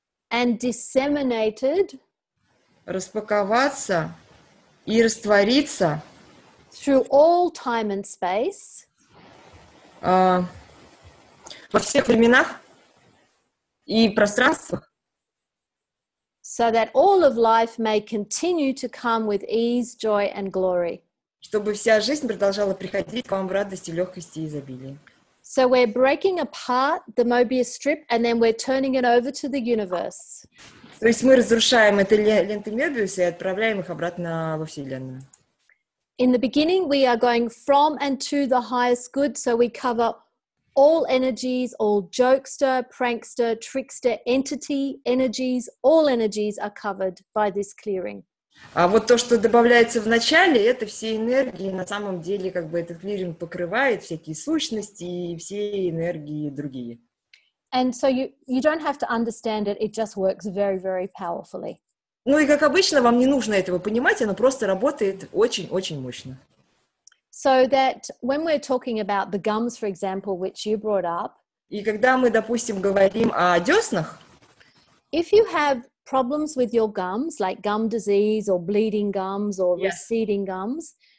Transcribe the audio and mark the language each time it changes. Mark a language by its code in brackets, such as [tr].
[en] and disseminated, [ru] распаковаться и раствориться [en] through all time and space. [ru] Во всех временах и пространствах. [en] So that all of life may continue to come with ease, joy and glory. [ru] Чтобы вся жизнь продолжала приходить к вам в радости, легкости и изобилии. [en] So we're breaking apart the Mobius strip and then we're turning it over to the universe. [ru] То есть мы разрушаем эти ленты Мёбиуса и отправляем их обратно во Вселенную. [en] In the beginning, we are going from and to the highest good, so we cover all energies, all jokester, prankster, trickster, entity, energies, all energies are covered by this clearing. [ru] А вот то, что добавляется в начале, это все энергии, на самом деле, как бы этот клиринг покрывает всякие сущности и все энергии другие. [en] And so you don't have to understand it, it just works very, very powerfully. [ru] Ну и как обычно, вам не нужно этого понимать, оно просто работает очень-очень мощно. [en] So that when we're talking about the gums, for example, which you brought up, [ru] и когда мы, допустим, говорим о дёснах, [en] if you have problems with your gums, like gum disease or bleeding gums or receding gums,